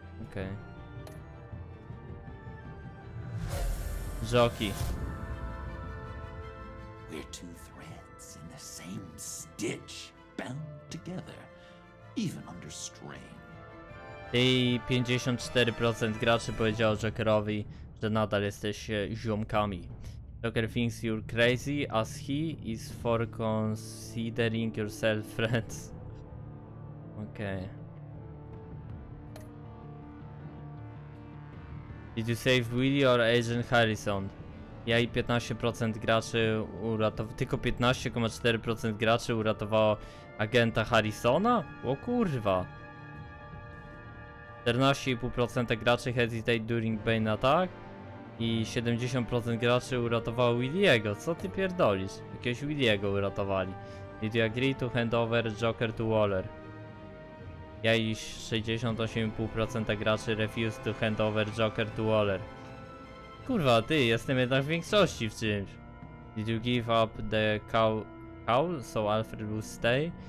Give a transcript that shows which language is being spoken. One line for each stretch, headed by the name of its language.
English: Okay. Jockey. We're two threads in the same stitch, bound together, even under strain.
Polish: Ty 54% graczy powiedział Jokerowi, że nadal jesteś ziomkami.
English: Joker thinks you're crazy as he is for considering yourself friends. Okay. Did you save Willy or Agent Harrison?
Polish: Ja i 15% graczy uratowało. Tylko 15,4% graczy uratowało agenta Harrisona? O kurwa.
English: 14,5%
Polish: graczy
English: hesitate during Bane attack.
Polish: I 70% graczy uratowało Williego. Co ty pierdolisz? Jakiegoś Williego uratowali.
English: Did you agree to hand over Joker to Waller?
Polish: Ja i 68,5% graczy
English: refused to hand over Joker to Waller.
Polish: Kurwa, ty, jestem jednak w większości w czymś.
English: Did you give up the cow so Alfred will stay?